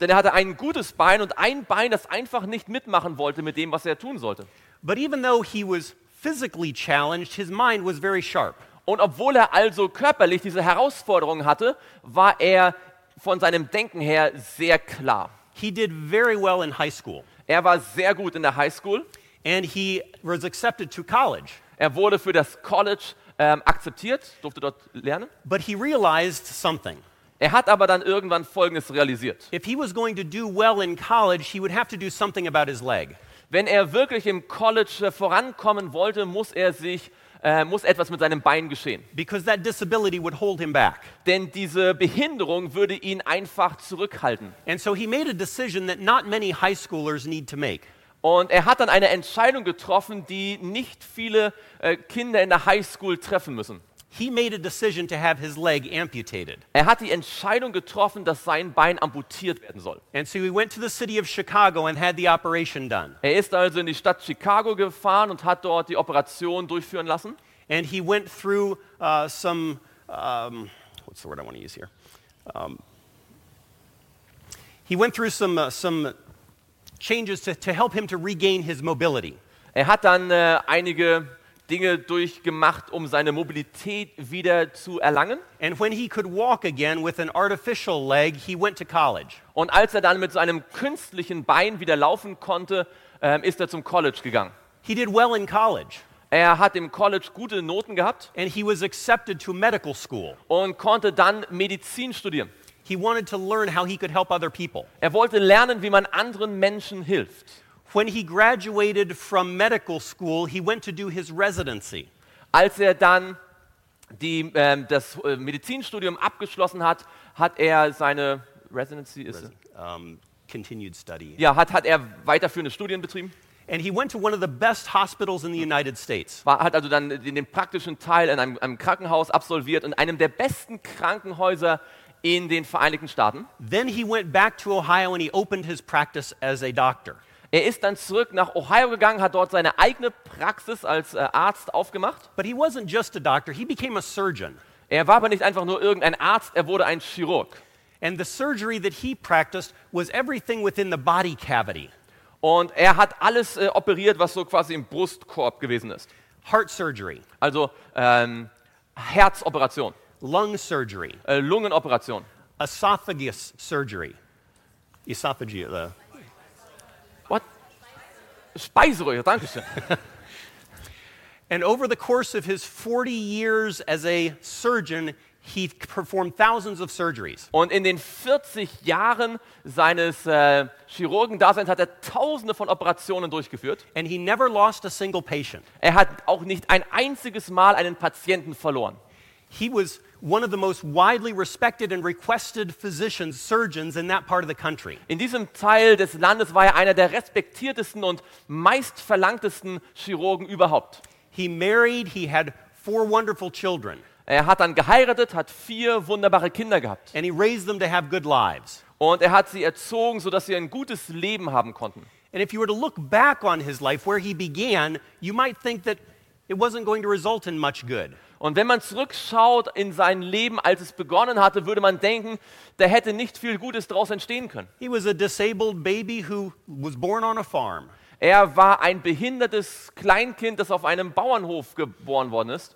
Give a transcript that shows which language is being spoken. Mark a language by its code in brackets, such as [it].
[de] Denn er hatte ein gutes Bein und ein Bein, das einfach nicht mitmachen wollte mit dem, was er tun sollte. [en] But even though he was physically challenged, his mind was very sharp. [de] Und obwohl er also körperlich diese Herausforderung hatte, war er von seinem Denken her sehr klar. [en] He did very well in high school. [de] Er war sehr gut in der High School. [en] And he was accepted to college. [de] Er wurde für das College akzeptiert, durfte dort lernen. [en] But he realized something. [de] Er hat aber dann irgendwann Folgendes realisiert. [en] If he was going to do well in college, he would have to do something about his leg. [de] Wenn er wirklich im College vorankommen wollte, muss etwas mit seinem Bein geschehen. [en] Because that disability would hold him back. [de] Denn diese Behinderung würde ihn einfach zurückhalten. [en] And so he made a decision that not many high schoolers need to make. [de] Und er hat dann eine Entscheidung getroffen, die nicht viele Kinder in der High School treffen müssen. [en] He made a decision to have his leg amputated. [de] Er hat die Entscheidung getroffen, dass sein Bein amputiert werden soll. [en] And so he went to the city of Chicago and had the operation done. [de] Er ist also in die Stadt Chicago gefahren und hat dort die Operation durchführen lassen. [en] And he went through some what's the word I want to use here? He went through some changes to help him to regain his mobility. [de] Er hat dann einige Dinge durchgemacht, um seine Mobilität wieder zu erlangen. [en] And when he could walk again with an artificial leg, he went to college. [de] Und als er dann mit seinem künstlichen Bein wieder laufen konnte, ist er zum College gegangen. [en] He did well in college. [de] Er hat im College gute Noten gehabt. [en] And he was accepted to medical school. [de] Und konnte dann Medizin studieren. [en] He wanted to learn how he could help other people. [de] Er wollte lernen, wie man anderen Menschen hilft. [en] When he graduated from medical school, he went to do his residency. [de] Als er dann das Medizinstudium abgeschlossen hat, hat er seine residency [en] continued study. [de] Ja, hat er weiterführende Studien betrieben. [en] And he went to one of the best hospitals in the United States. [de] Hat also dann den praktischen Teil in einem Krankenhaus absolviert und einem der besten Krankenhäuser in den Vereinigten Staaten. [en] Then he went back to Ohio and he opened his practice as a doctor. [de] Er ist dann zurück nach Ohio gegangen, hat dort seine eigene Praxis als Arzt aufgemacht. [en] But he wasn't just a doctor, he became a surgeon. [de] Er war aber nicht einfach nur irgendein Arzt, er wurde ein Chirurg. [en] And the surgery that he practiced was everything within the body cavity. [de] Und er hat alles operiert, was so quasi im Brustkorb gewesen ist. [en] Heart surgery. [de] Also Herzoperation. [en] Lung surgery. [de] Lungenoperation. [en] Esophagus surgery. Esophageal. What? [de] Speiseröhre, danke schön. [en] And over the course of his 40 years as a surgeon, he performed thousands of surgeries. [de] Und in den 40 Jahren seines Chirurgendaseins hat er tausende von Operationen durchgeführt. [en] And he never lost a single patient. [de] Er hat auch nicht ein einziges Mal einen Patienten verloren. [en] He was one of the most widely respected and requested physicians, surgeons in that part of the country. [de] In diesem Teil des Landes war er einer der respektiertesten und meist verlangtesten Chirurgen überhaupt. [en] He married, he had four wonderful children. [de] Er hat dann geheiratet, hat vier wunderbare Kinder gehabt. [en] And he raised them to have good lives. [de] Und er hat sie erzogen, so dass sie ein gutes Leben haben konnten. [en] And if you were to look back on his life where he began, you might think that it wasn't going to result in much good. [de] Und wenn man zurückschaut in sein Leben, als es begonnen hatte, würde man denken, da hätte nicht viel Gutes daraus entstehen können. [en] He was a disabled baby who was born on a farm. [de] Er war ein behindertes Kleinkind, das auf einem Bauernhof geboren worden ist.